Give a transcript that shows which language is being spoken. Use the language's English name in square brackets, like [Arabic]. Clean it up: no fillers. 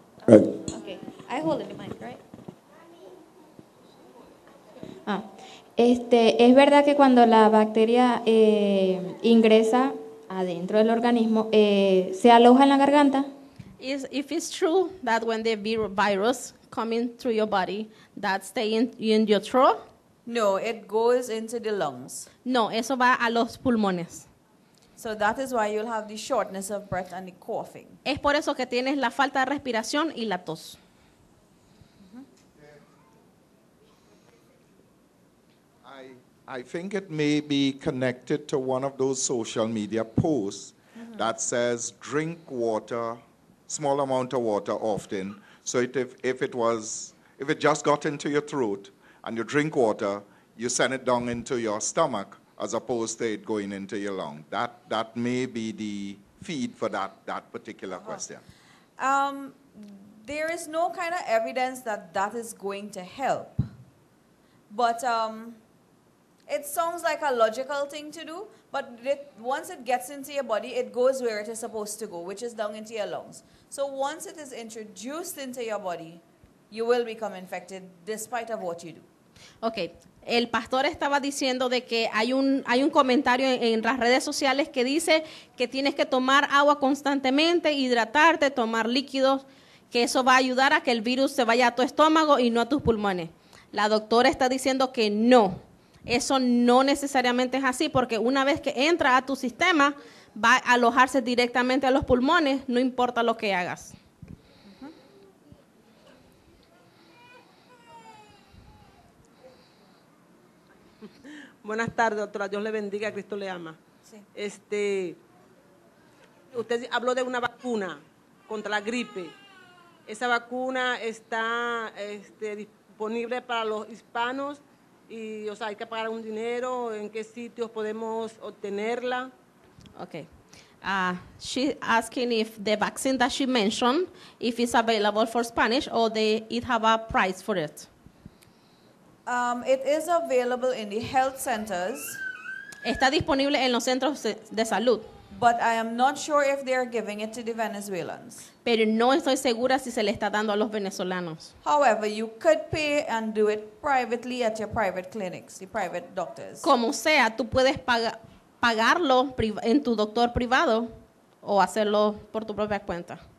[English] Okay. I hold the mic, right? [Spanish] ¿Es verdad que cuando la bacteria ingresa adentro del organismo se aloja en la garganta? [English] Is if it's true that when the virus coming through your body that stay in your throat? No, it goes into the lungs. [Spanish] No, eso va a los pulmones. [English] So that is why you'll have the shortness of breath and the coughing. [Spanish] Es por eso que tienes la falta de respiración y la tos. Mm-hmm. [English] I think it may be connected to one of those social media posts mm-hmm. that says drink water, small amount of water often. So if it just got into your throat and you drink water, you send it down into your stomach. As opposed to it going into your lung. That may be the feed for that particular uh-huh. question. There is no kind of evidence that is going to help. But it sounds like a logical thing to do. But once it gets into your body, it goes where it is supposed to go, which is down into your lungs. So once it is introduced into your body, you will become infected despite of what you do. Okay. [Spanish] El pastor estaba diciendo de que hay un comentario en las redes sociales que dice que tienes que tomar agua constantemente, hidratarte, tomar líquidos, que eso va a ayudar a que el virus se vaya a tu estómago y no a tus pulmones. La doctora está diciendo que no, eso no necesariamente es así, porque una vez que entra a tu sistema, va a alojarse directamente a los pulmones, no importa lo que hagas. Buenas tardes, doctora. Dios le bendiga, Cristo le ama. Sí. Usted habló de una vacuna contra la gripe. ¿Esa vacuna está disponible para los hispanos? Y, o sea, ¿hay que pagar un dinero? ¿En qué sitios podemos obtenerla? [English] Okay. She's asking if the vaccine that she mentioned, if it's available for Spanish or it have a price for it. It is available in the health centers. [Spanish] Está disponible en los centros de salud. [English] But I am not sure if they are giving it to the Venezuelans. [Spanish] Pero no estoy segura si se le está dando a los venezolanos. [English] However, you could pay and do it privately at your private clinics, the private doctors. [Spanish] Como sea, tú puedes pagarlo en tu doctor privado o hacerlo por tu propia cuenta.